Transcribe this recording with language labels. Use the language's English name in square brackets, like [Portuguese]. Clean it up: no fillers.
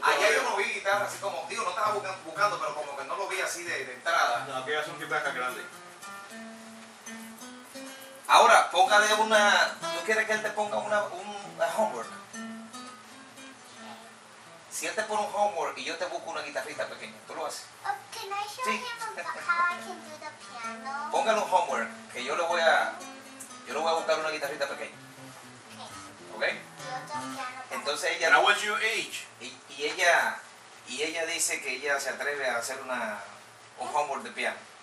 [Spanish] ayer yo no vi guitarra así como, digo, no estaba buscando, pero como que no lo vi así de entrada. No, aquellas son guitarras grandes. Ahora, póngale una. ¿Tú quieres que él te ponga un homework? Si él te pone un homework y yo te busco una guitarrita pequeña, ¿tú lo haces? [English] Can I show him how I can do the piano? [Spanish] Póngale un homework, que yo le voy a. Yo le voy a buscar una guitarrita pequeña. Ok. Entonces ella. [English] Now what's your age? [Spanish] Y ella dice que ella se atreve a hacer una un homework de piano.